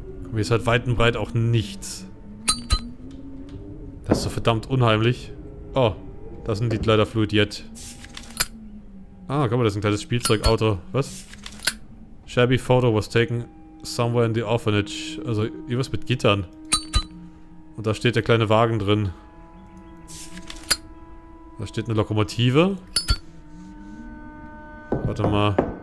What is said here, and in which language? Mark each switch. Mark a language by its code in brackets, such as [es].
[de] Hier ist halt weit und breit auch nichts. Das ist so verdammt unheimlich. Oh, da sind die leider Fluid jetzt. Ah, guck mal, das ist ein kleines Spielzeugauto. Was? [en] Shabby photo was taken somewhere in the orphanage. [de] Also, irgendwas mit Gittern. Und da steht der kleine Wagen drin. Da steht eine Lokomotive. Warte mal.